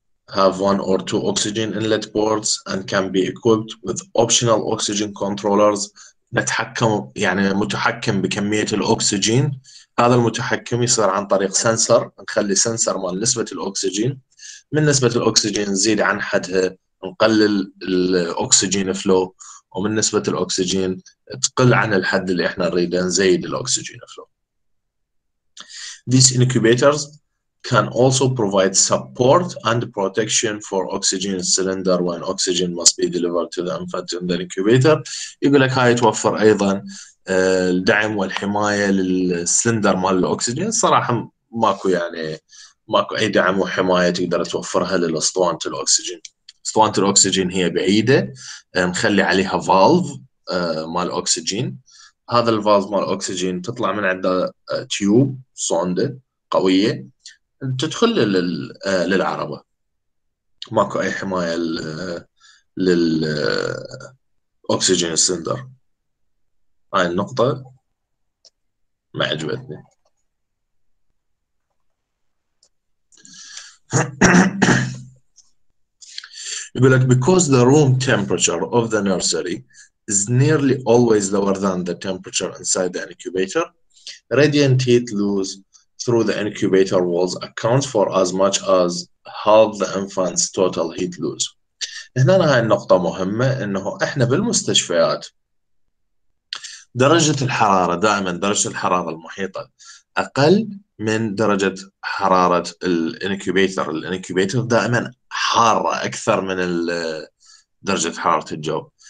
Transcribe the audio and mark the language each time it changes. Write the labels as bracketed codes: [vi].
[en] have one or two oxygen inlet ports and can be equipped with optional oxygen controllers. [ar] نتحكم يعني متحكم بكمية الأكسجين. هذا المتحكم يصير عن طريق سنسر، نخلي سنسر مال نسبة الأكسجين، من نسبة الأكسجين نزيد عن حدها نقلل الأكسجين فلو، ومن نسبة الأكسجين تقل عن الحد اللي احنا نريده نزيد الأكسجين فلو. [en] These incubators can also provide support and protection for oxygen cylinder when oxygen must be delivered to the infant in the incubator. [ar] يقول لك هاي توفر ايضا الدعم والحماية للسلندر مال الاكسجين. صراحة ماكو، يعني ماكو اي دعم وحماية تقدر توفرها للاسطوانة الاكسجين. اسطوانة الاكسجين هي بعيدة، نخلي عليها فالف مال الاكسجين. هذا الفالف مال الاكسجين تطلع من عنده تيوب صوندة قوية تدخل للعربة. ماكو أي حماية للأكسجين سلندر. هاي النقطة ما عجبتني. يقول لك [en] because the room temperature of the nursery is nearly always lower than the temperature inside the incubator, radiant heat lose through the incubator walls accounts for as much as half the infant's total heat loss. [ar] هنا هاي النقطة مهمة، انه احنا بالمستشفيات درجة الحرارة، دائما درجة الحرارة المحيطة اقل من درجة حرارة الانكوبيتر. الانكوبيتر دائما حارة اكثر من درجة حرارة الجو.